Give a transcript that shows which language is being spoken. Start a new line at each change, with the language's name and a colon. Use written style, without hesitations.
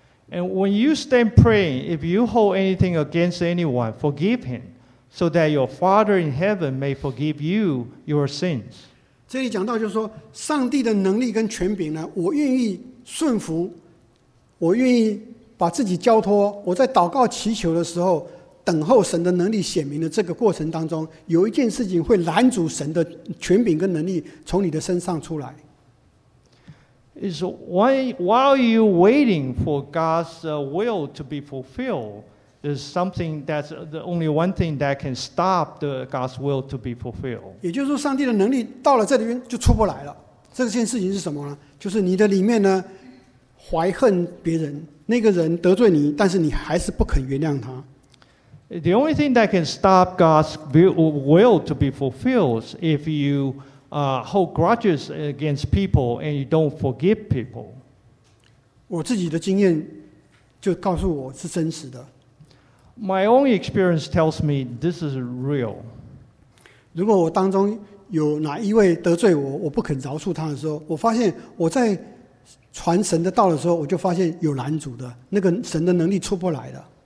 English: And when you stand praying, if you hold anything against anyone, forgive him, so that your Father in heaven may forgive you your sins.
Chinese: 这里讲到就是说，上帝的能力跟权柄呢，我愿意顺服，我愿意把自己交托。我在祷告祈求的时候，等候神的能力显明的这个过程当中，有一件事情会拦阻神的权柄跟能力从你的身上出来。
English: Is while you waiting for God's will to be fulfilled, there's something that's the only one thing that can stop the God's will to be fulfilled.
Chinese: 也就是说，上帝的能力到了这里边就出不来了。这件事情是什么呢？就是你的里面呢，怀恨别人，那个人得罪你，但是你还是不肯原谅他。
English: The only thing that can stop God's will to be fulfilled is if you hold grudges against people and you don't forgive people.
Chinese: 我自己的经验就告诉我是真实的。
English: My own experience tells me this is real.
Chinese: 如果我当中有哪一位得罪我，我不肯饶恕他的时候，我发现我在传神的道的时候，我就发现有拦阻的，那个神的能力出不来的。